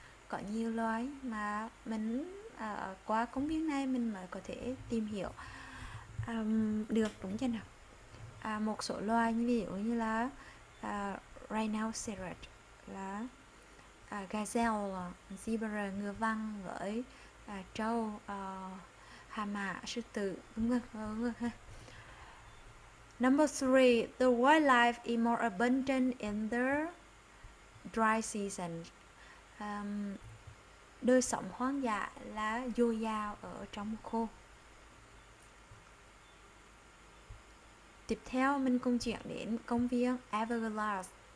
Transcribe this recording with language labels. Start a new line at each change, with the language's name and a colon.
Vietnamese: Có nhiều loài mà mình qua công viên này mình mới có thể tìm hiểu được, đúng chưa nào? Một số loài như ví dụ như là rhinoceros, là gazelle, zebra, ngựa vằn, gợi, trâu, hà mã, sư tử, đúng không?
English: Number 3, the wildlife is more abundant in the dry season.
Vietnamese: Đời sống hoang dã là dồi dào ở trong mùa khô. Tiếp theo mình cùng chuyển đến công viên Everglades.